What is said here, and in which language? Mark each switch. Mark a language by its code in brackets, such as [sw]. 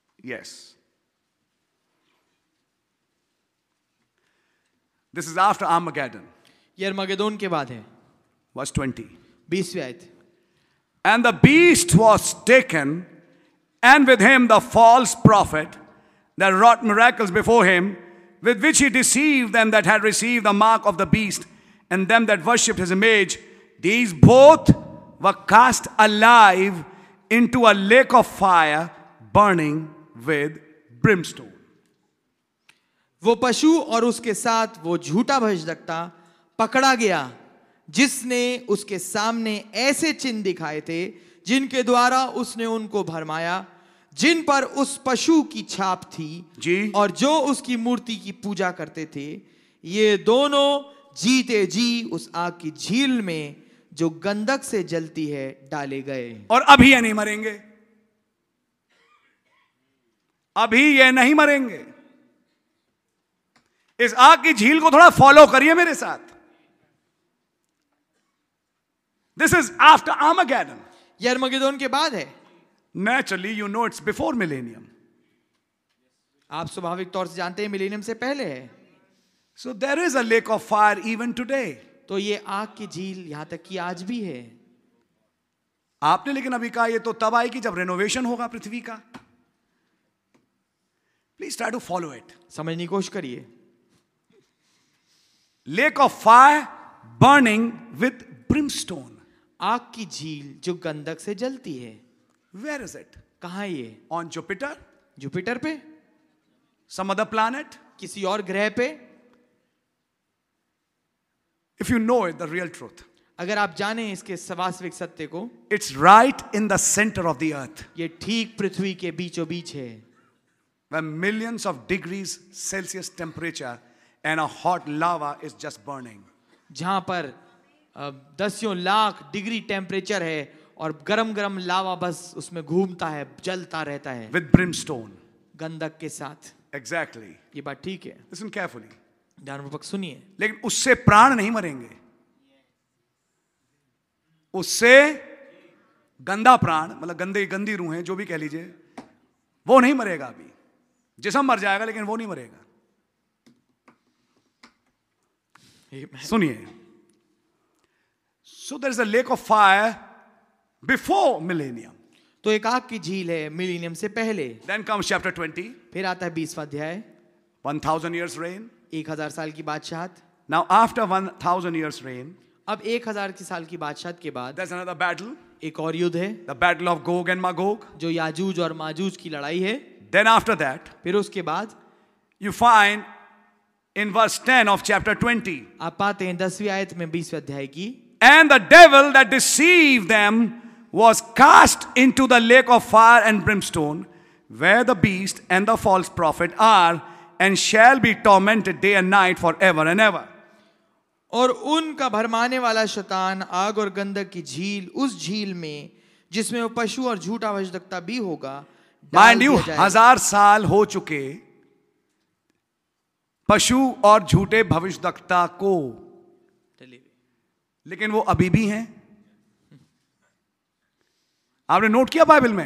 [en] Yes this is after Armageddon. [hi] ये Armageddon के बाद है. [en] Verse 20. [hi] 20वीं आयत. [en] And the beast was taken and with him the false prophet that wrought miracles before him, with which he deceived them that had received the mark of the beast and them that worshipped his image. These both were cast alive into a lake of fire burning with brimstone. [hi] वो पशु और उसके साथ वो झूठा भविष्यद्वक्ता पकड़ा गया जिसने उसके सामने ऐसे चिन्ह दिखाए थे जिनके द्वारा उसने उनको भरमाया, जिन पर उस पशु की छाप थी जी और जो उसकी मूर्ति की पूजा करते थे. ये दोनों जीते जी उस आग की झील में जो गंधक से जलती है डाले गए. और अभी ये नहीं मरेंगे. अभी ये नहीं मरेंगे. इस आग की झील को थोड़ा फॉलो करिए मेरे साथ. [en] This is after Armageddon. [hi] ये आर्मगेडन के बाद है. [en] Naturally, you know it's before millennium. [hi] आप स्वाभाविक तौर से जानते हैं मिलेनियम से पहले है. [en] So there is a lake of fire even today. [hi] तो ये आग की झील यहां तक कि आज भी है. आपने लेकिन अभी कहा ये तो तब आएगी जब रेनोवेशन होगा पृथ्वी का. [en] Please try to follow it. [hi] समझने की कोशिश करिए. [en] Lake of fire burning with brimstone. [hi] आग की झील जो गंधक से जलती है. [en] Where is it? [hi] कहाँ ये? [en] On Jupiter? [hi] Jupiter पे? [en] Some other planet? [hi] किसी और ग्रह पे? [en] If you know it, the real truth. [hi] अगर आप जाने इसके वास्तविक सत्य को. [en] It's right in the center of the earth. [hi] ये ठीक पृथ्वी के बीचों बीच है. [en] Where millions of degrees Celsius temperature and a hot lava is just burning. [hi] जहाँ पर दसियों लाख डिग्री टेम्परेचर है और गरम गरम लावा बस उसमें घूमता है, जलता रहता है. [en] With brimstone. [hi] गंधक के साथ. [en] Exactly. [hi] ये बात ठीक है. [en] Listen carefully. [hi] ध्यानपूर्वक सुनिए. लेकिन उससे प्राण नहीं मरेंगे. उससे गंदा प्राण, मतलब गंदी रूहें, जो भी कह लीजिए, वो नहीं मरेगा. अभी जिसम मर जाएगा लेकिन वो नहीं मरेगा. सुनिए. [en] So there is a lake of fire. Before millennium. [hi] तो एक आग की झील है मिलेनियम से पहले. [en] Then comes chapter 20. [hi] फिर आता है 20वां अध्याय. [en] 1000 years reign. [hi] 1000 साल की बादशाहत. [en] Now after 1000 years reign. [hi] अब 1000 की साल की बादशाहत के बाद. [en] There's another battle. [hi] एक और युद्ध है. [en] The battle of Gog and Magog. [hi] जो याजूज और माजूज की लड़ाई है. [en] Then after that. [hi] फिर उसके बाद. [en] You find in verse 10 of chapter 20. [hi] आप पाते हैं 10वीं आयत में 20वें अध्याय की. [en] And the devil that deceived them was cast into the lake of fire and brimstone where the beast and the false prophet are, and shall be tormented day and night forever and ever. [hi] और उनका भरमाने वाला शैतान आग और गंधक की झील उस झील में जिसमें वो पशु और झूठा वचनकर्ता भी होगा [en] मैंड यू [hi] हजार साल हो चुके पशु और झूठे भविष्यद्वक्ता को लेकिन वो अभी भी हैं आपने नोट किया बाइबल में